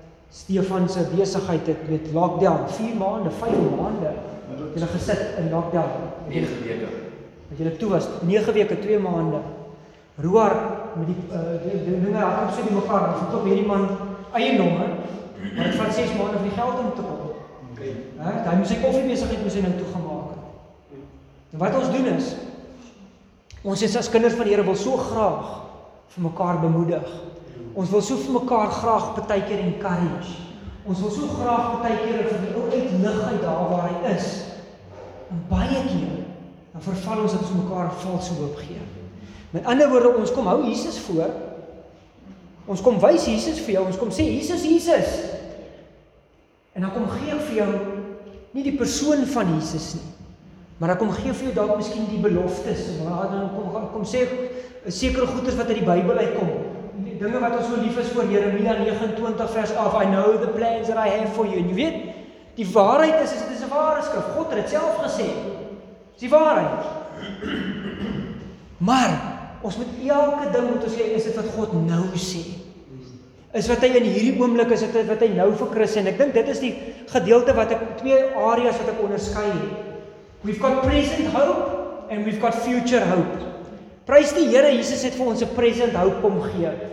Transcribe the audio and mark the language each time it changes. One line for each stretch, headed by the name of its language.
Afrikaans: Stefan se besigheid het met lockdown 5 maande. Jy het gesit in lockdown 9 weke. Wat jy toe was 9 weke, 2 maande. Roar met die dinge raak op so die mekaar, dan het op hierdie man eie nomme. Maar dit vat 6 maande vir die geld om te kom. Okay. Hè, daai moet sy koffie besigheid moet sy nou toegemaak het. En wat ons doen is ons is as kinders van die Here wil so graag vir mekaar bemoedig. Ons wil so vir mekaar graag partykeer encourage. Ons wil so graag partykeer vir die ou uitlig uit daar waar hy is. En baie keer dan verval ons dat ons mekaar valse hoop gee. Met ander woorde, ons kom hou Jesus voor. Ons kom wys Jesus vir jou, ons kom sê Jesus, Jesus. En dan kom gee ek vir jou nie die persoon van Jesus nie. Maar ek kom gee vir jou dalk miskien die beloftes, maar dan kom sê 'n sekere goeie wat uit die Bybel uitkom. Dinge wat ons so lief is voor Jeremia 29 vers 11,
English: I know the plans that I have for you.
Afrikaans: En jy weet, die waarheid is, dit is 'n ware skrif. God het dit self gesê. Dis die waarheid. Maar, ons moet elke ding moet ons sê, is dit wat God nou sê. Is wat hy in hierdie oomblik is, dit wat hy nou vir Chris sê. En ek dink dit is die gedeelte wat ek, twee areas wat ek onderskei het.
English: We've got present hope, and we've got future hope.
Afrikaans: Prys die Here, Jesus het vir ons 'n
English: present hope
Afrikaans: kom gee.